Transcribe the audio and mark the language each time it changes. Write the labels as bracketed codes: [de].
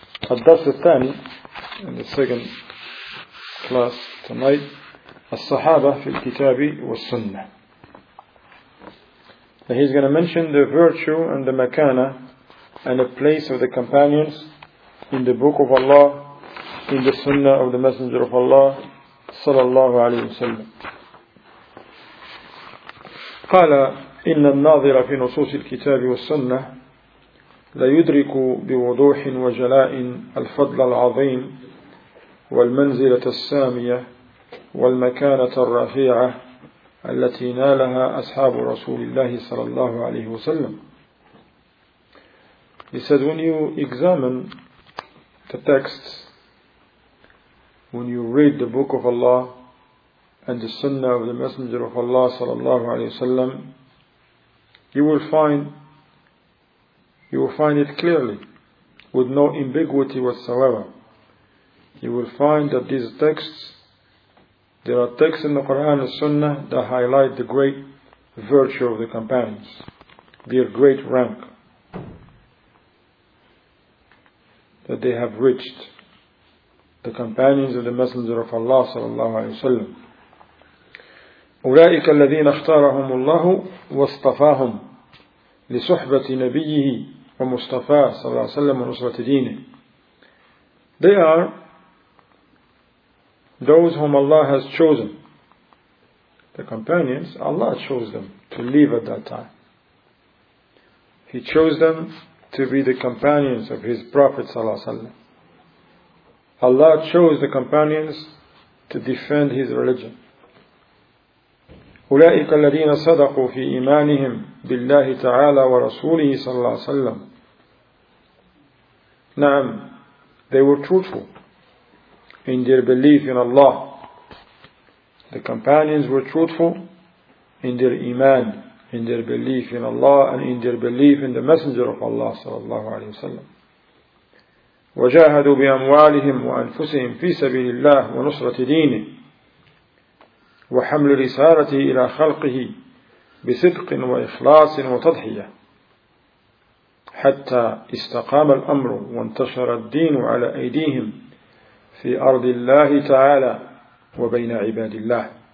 [ar] Al-Dars al-Thani, [en] in the second class tonight, [ar] Al-Sahaba fi al-Kitabi wa-Sunnah. [en] Now he's going to mention the virtue and the makana and the place of the companions in the Book of Allah, in the Sunnah of the Messenger of Allah, sallallahu alayhi wa sallam. [ar] Qala, إن الناظر في نصوص الكتاب والسنة لا يدرك بوضوح وجلاء الفضل العظيم والمنزلة السامية والمكانة الرفيعة التي نالها أصحاب رسول الله صلى الله عليه وسلم. [en] He said, when you examine the texts, when you read the book of Allah and the sunnah of the Messenger of Allah صلى الله عليه وسلم, you will find it clearly. with no ambiguity whatsoever. You will find that these texts, there are texts in the Quran and Sunnah that highlight the great virtue of the companions, their great rank that they have reached, the companions of the Messenger of Allah sallallahu alaihi wasallam. [ar] أولئك الذين اختارهم الله واصطفاهم لصحبة نبيه ومصطفى صلى الله عليه وسلم ونصرة دينه. [en] They are those whom Allah has chosen. The companions, Allah chose them to leave at that time. He chose them to be the companions of His Prophet صلى الله عليه وسلم. Allah chose the companions to defend His religion. [ar] أولئك الذين صدقوا في إيمانهم بالله تعالى ورسوله صلى الله عليه وسلم. نعم, [en] they were truthful in their belief in Allah. The companions were truthful in their iman, in their belief in Allah, and in their belief in the Messenger of Allah صلى الله عليه وسلم. [ar] وجاهدوا بأموالهم وأنفسهم في سبيل الله ونصرة دينه. وحمل رسالته إلى خلقه بصدق وإخلاص وتضحية حتى استقام الأمر وانتشر الدين على أيديهم في أرض الله تعالى وبين عباد الله.